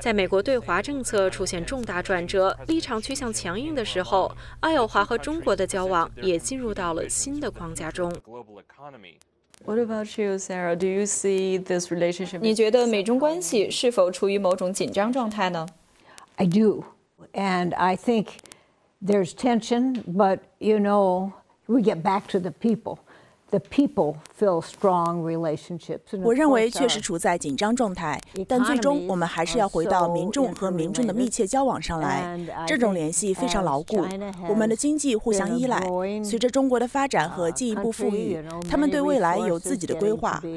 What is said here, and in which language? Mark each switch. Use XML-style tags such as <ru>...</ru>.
<zh>在美国对华政策出现重大转折，立场趋向强硬的时候，爱奥华和中国的交往也进入到了新的框架中。</zh> <en>What about you, Sarah? Do you see this relationship?</en> <zh>你觉得美中关系是否处于某种紧张状态呢？</zh> <en>I do, and I think there's tension. But you know, we get back to the people. The people feel strong relationships.</en> <zh>我认为确实处在紧张状态，但最终我们还是要回到民众和民众的密切交往上来。这种联系非常牢固。我们的经济互相依赖，随着中国的发展和进一步富裕，他们对未来有自己的规划。</zh>